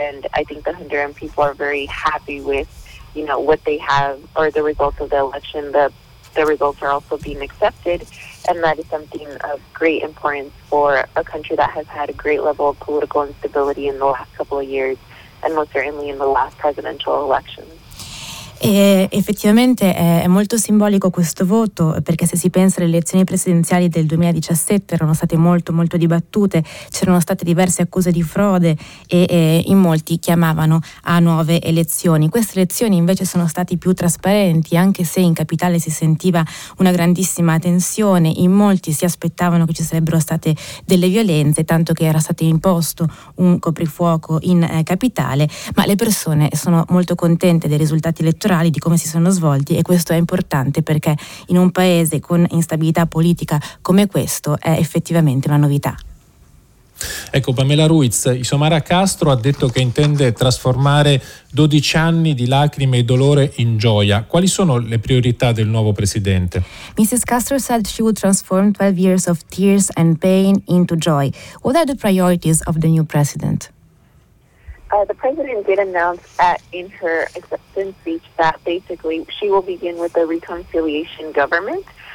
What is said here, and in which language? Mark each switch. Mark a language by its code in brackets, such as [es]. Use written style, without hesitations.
[en] And I think the Honduran people are very happy with, you know, what they have or the results of the election. The results are also being accepted, and that is something of great importance for a country that has had a great level of political instability in the last couple of years, and most certainly in the last presidential election. [it] E effettivamente è molto simbolico questo voto, perché se si pensa alle elezioni presidenziali del 2017 erano state molto molto dibattute, c'erano state diverse accuse di frode e in molti chiamavano a nuove elezioni. Queste elezioni invece sono state più trasparenti, anche se in capitale si sentiva una grandissima tensione, in molti si aspettavano che ci sarebbero state delle violenze, tanto che era stato imposto un coprifuoco in capitale, ma le persone sono molto contente dei risultati elettorali, di come si sono svolti, e questo è importante perché in un paese con instabilità politica come questo è effettivamente una novità. Ecco, Pamela Ruiz, Xiomara Castro ha detto che intende trasformare 12 anni di lacrime e dolore in gioia. Quali sono le priorità del nuovo presidente? [en] Mrs. Castro said she would transform 12 years of tears and pain into joy. What are the priorities of the new president? The president did announce that in her acceptance speech that basically she will begin with a reconciliation government.